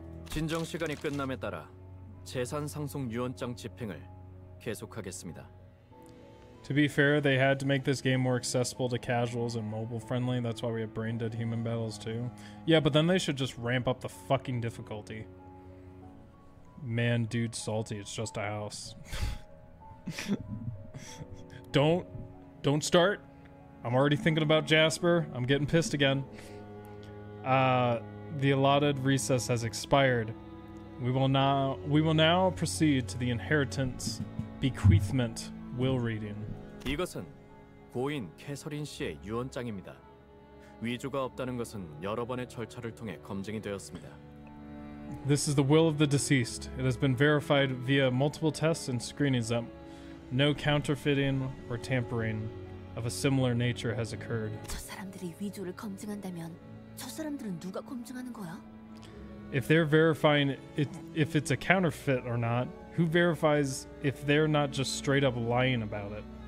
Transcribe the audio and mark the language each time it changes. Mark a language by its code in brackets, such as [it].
[ko] 진정 시간이 끝남에 따라 재산 상속 유언장 집행을 계속하겠습니다. [en] To be fair, they had to make this game more accessible to casuals and mobile-friendly. That's why we have brain-dead human battles, too. Yeah, but then they should just ramp up the fucking difficulty. Man, dude, salty. It's just a house. Don't start. I'm already thinking about Jasper. I'm getting pissed again. The allotted recess has expired. We will now proceed to the inheritance bequeathment will reading. [ko] 이것은 고인 캐서린 씨의 유언장입니다. 위조가 없다는 것은 여러 번의 절차를 통해 검증이 되었습니다. [en] This is the will of the deceased. It has been verified via multiple tests and screenings that no counterfeiting or tampering of a similar nature has occurred. [ko] 저 사람들이 위조를 검증한다면 저 사람들은 누가 검증하는 거야? [en] If they're verifying it, if it's a counterfeit or not, who verifies if they're not just straight up lying about it?